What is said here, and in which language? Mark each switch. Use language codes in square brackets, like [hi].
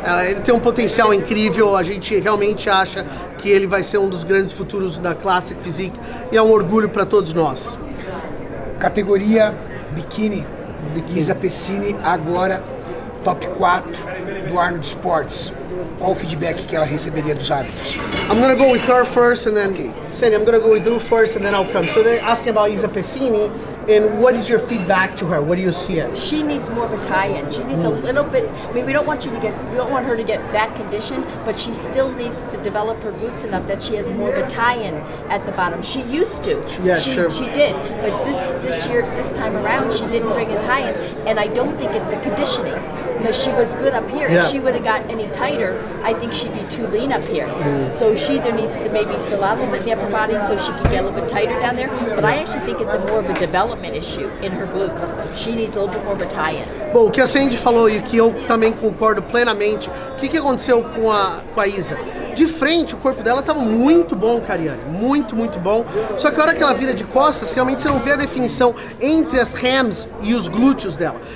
[pt] Ele tem um potencial incrível, a gente realmente acha que ele vai ser um dos grandes futuros da Classic Physique, e é um orgulho para todos nós. Categoria... Biquíni, Giza Pessini, agora top 4 do Arnold Sports. Qual o feedback que ela receberia dos árbitros? [en] I'm gonna go with her first and then, okay. Sandy, I'm gonna go with you first and then I'll come. So they're asking about Giza Pessini and what is your feedback to her? What do you see? She needs more of a tie-in. She needs a little bit, I mean, we don't want her to get that condition, but she still needs to develop her glutes enough that she has more of a tie-in at the bottom. She used to. Yeah, she, sure. She did, but this year, this time around, she didn't bring a tie-in and I don't think it's the conditioning. Because she was good up here. Yeah. If she would have got any tighter, I think she'd be too lean up here. So she either needs to maybe fill out a little bit in the upper body so she can get a little bit tighter down there. But I actually think it's a more of a development issue in her glutes. She needs a little bit more of a tie-in. [pt] Bom, o que a Sandy falou e o que eu também concordo plenamente, o que, que aconteceu com a Isa? De frente, o corpo dela estava muito bom, Cariane, muito, muito bom. Só que a hora que ela vira de costas, realmente você não vê a definição entre as hams e os glúteos dela.